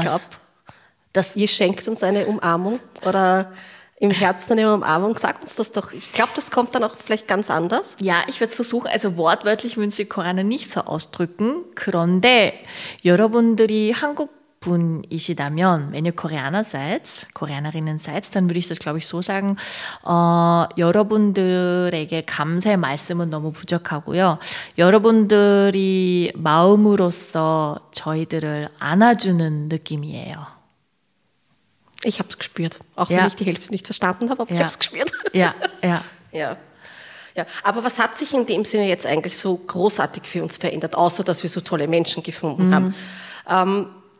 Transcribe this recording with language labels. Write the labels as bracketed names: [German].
[German] Ich glaube, ihr schenkt uns eine Umarmung oder im Herzen eine Umarmung, sag uns das doch. Ich glaube, das kommt dann auch vielleicht ganz anders. Ja, ich würde es versuchen. Also wortwörtlich würden Sie Koreaner nicht so ausdrücken. [Korean] 그런데 여러분들이 한국 분이시다면, [German] wenn ihr Koreaner seid, Koreanerinnen seid, dann würde ich das, glaube ich, so sagen. [Korean] 여러분들에게 감사의 말씀은 너무 부족하고요. 여러분들이 마음으로써 저희들을 안아주는 느낌이에요. [German] Ich habe es gespürt, auch wenn ich die Hälfte nicht verstanden habe, aber ich habe es gespürt. Ja, ja. Ja. Aber was hat sich in dem Sinne jetzt eigentlich so großartig für uns verändert, außer dass wir so tolle Menschen gefunden haben?